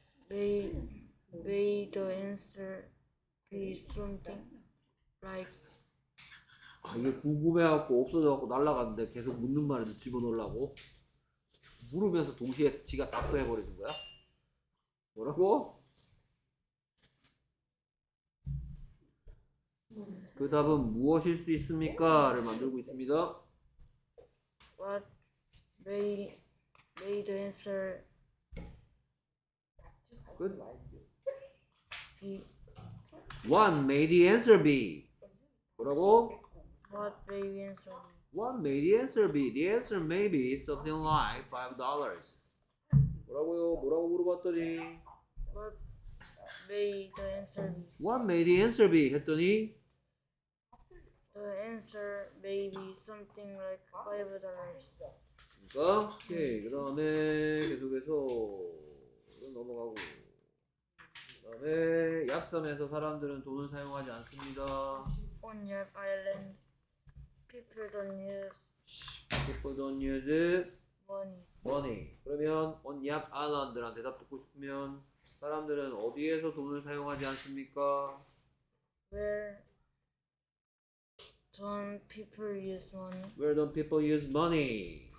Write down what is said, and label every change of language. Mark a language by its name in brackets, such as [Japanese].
[English] May the answer be something like [Korean] 아 이게 궁금해갖고 없어져갖고 날라갔는데 계속 묻는 말을 집어넣으려고 물으면서 동시에 지가 답도 해버리는 거야? 뭐라고? 그 답은 무엇일 수 있습니까?를 만들고 있습니다. [English] What may the answer be? What may the answer be? [Korean] 뭐라고? [English] What may the answer be? What may the answer be? The answer may be something like $5. [Korean] 뭐라고요? 뭐라고 물어봤더니? [English] What may the answer be? What may the answer be? [Korean] 했더니? [English] The answer may be something like $5. [Korean] 그러니까? 오케이. 그 다음에 계속해서 넘어가고. 그 다음에 약섬에서 사람들은 돈을 사용하지 않습니다. [English] On Yap Island. People don't use. People don't use money. [Korean] 그러면 [English] on Yap Island [Korean] 랑 대답 듣고 싶으면 사람들은 어디에서 돈을 사용하지 않습니까? [English] Where don't people use money? Where don't people use money?